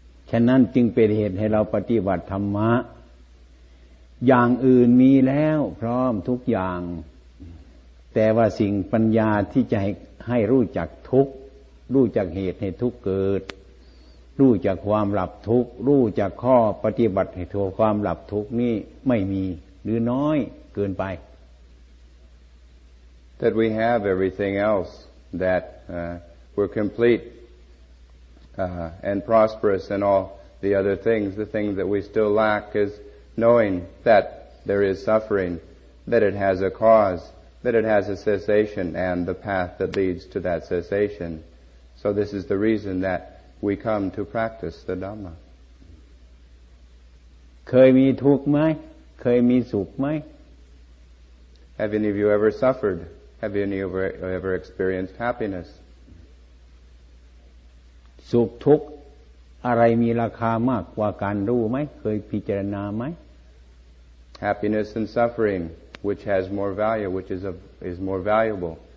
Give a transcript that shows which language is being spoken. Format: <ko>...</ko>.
<th>ฉะนั้นจึงเป็นเหตุให้เราปฏิบัติธรรมะอย่างอื่นมีแล้วพร้อมทุกอย่างแต่ว่าสิ่งปัญญาที่จะให้รู้จักทุกข์รู้จักเหตุให้ทุกข์เกิดรู้จักความหลับทุกข์รู้จักข้อปฏิบัติให้ถึงความหลับทุกข์นี่ไม่มีหรือน้อยเกินไป</th> <en>That we have everything else that we're complete and prosperous and all the other things the things that we still lack isKnowing that there is suffering, that it has a cause, that it has a cessation, and the path that leads to that cessation. So this is the reason that we come to practice the Dhamma. Have any of you ever suffered? Have any of you ever experienced happiness?</en> <th>Sukh, thukh, อะไรมีราคามากกว่าการรู้ไหมเคยพิจารณาไหม</th> <en>Happiness and suffering, which has more value, which is of, is more valuable.</en>